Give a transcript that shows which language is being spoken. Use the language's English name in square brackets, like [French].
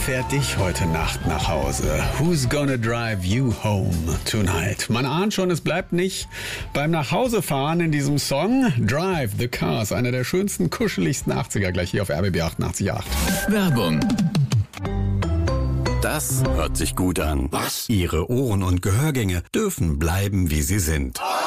[German] Dich heute Nacht nach Hause. [English] Who's gonna drive you home tonight? [German] Man ahnt schon, es bleibt nicht beim Nachhausefahren in diesem Song. Drive the Cars, einer der schönsten, kuscheligsten 80er, gleich hier auf RBB 888. Werbung. Das hört sich gut an. Was? Ihre Ohren und Gehörgänge dürfen bleiben, wie sie sind.